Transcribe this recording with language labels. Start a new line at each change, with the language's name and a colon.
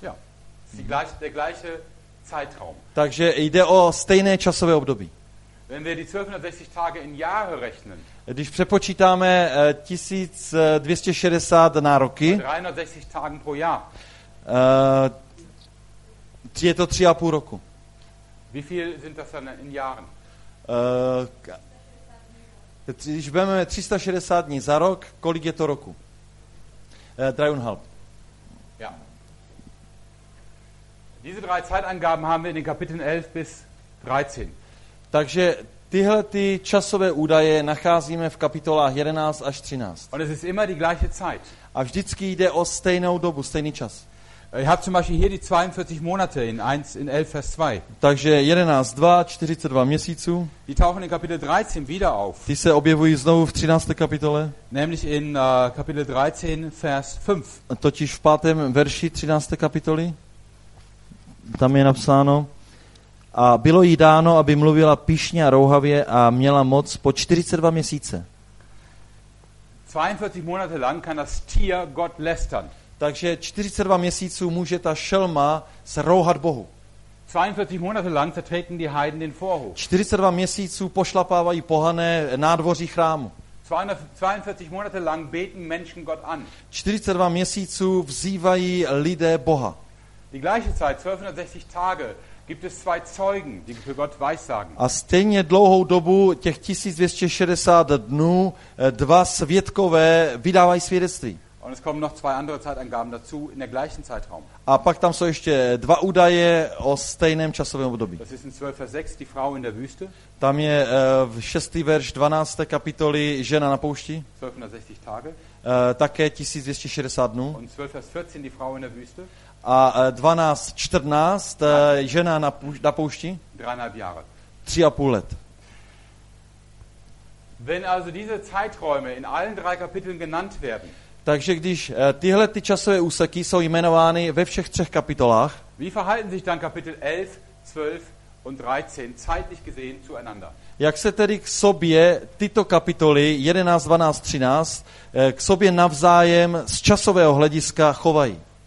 German: Ja. Der gleiche Zeitraum.
Czech: Takže jde o stejné časové období.
German: Wenn wir die 1260 Tage in Jahre rechnen,
Czech: když přepočítáme 1260 na roky,
German: 360 Tagen pro Jahr,
Czech: je to 3,5 roku.
German: Wie viel sind das dann in Jahren?
Czech: Když vezmeme 360 dní za rok, kolik je to roku? 3,5.
German: Ja. Diese drei Zeitangaben haben wir in den Kapiteln 11 bis 13.
Czech: Takže tyhle ty časové údaje nacházíme v kapitolách 11 až 13.
German: Und es ist immer die gleiche Zeit.
Czech: A vždycky jde o stejnou dobu, stejný čas.
German: Ich habe zum Beispiel hier die 42 Monate in 11 Vers 2.
Czech: Takže 11, 2, 42 měsíců.
German: Die tauchen in Kapitel 13 wieder auf.
Czech: Ty se objevují znovu v 13. kapitole.
German: Nämlich in Kapitel 13 Vers 5.
Czech: Totiž v 5. verši 13. kapitoly. Tam je napsáno. A bylo jí dáno, aby mluvila pyšně a rouhavě a měla moc po 42 měsíce.
German: 42 Monate lang kann das Tier Gott lästern.
Czech: Takže 42 měsíců může ta šelma zrouhat Bohu.
German: 42 Monate lang zertreten die Heiden den Vorhof.
Czech: 42 měsíců pošlapávají pohané nádvoří chrámu.
German: 42 Monate lang beten Menschen Gott an.
Czech: 42 měsíců vzývají lidé Boha.
German: Die gleiche Zeit 1260 Tage gibt es zwei Zeugen, die für Gott weissagen.
Czech: A stejně dlouhou dobu těch 1260 dnů dva svědkové vydávají svědectví.
German: Und es kommen noch zwei andere Zeitangaben dazu in der gleichen Zeitraum.
Czech: A pak tam jsou ještě dva údaje o stejném časovém období.
German: Das ist in 12 Vers 6 die Frau in der Wüste.
Czech: Tam je v 6. verš 12. kapitoly žena na poušti.
German: 1260 Tage.
Czech: Také 1260 dnů.
German: Und 12 Vers 14 die Frau in der Wüste.
Czech: A 12:14 žena na poušti.
German: 3,5 Jahre.
Czech: 3,5 let.
German: Wenn also diese Zeiträume in allen drei Kapiteln genannt werden.
Czech: Takže když tyhle ty časové úseky jsou jmenovány ve všech třech kapitolách.
German: Wie verhalten sich dann Kapitel 11, 12 und 13 zeitlich gesehen zueinander?
Czech: Jak se tedy k sobě tyto kapitoly 11, 12, 13 k sobě navzájem z časového hlediska chovají?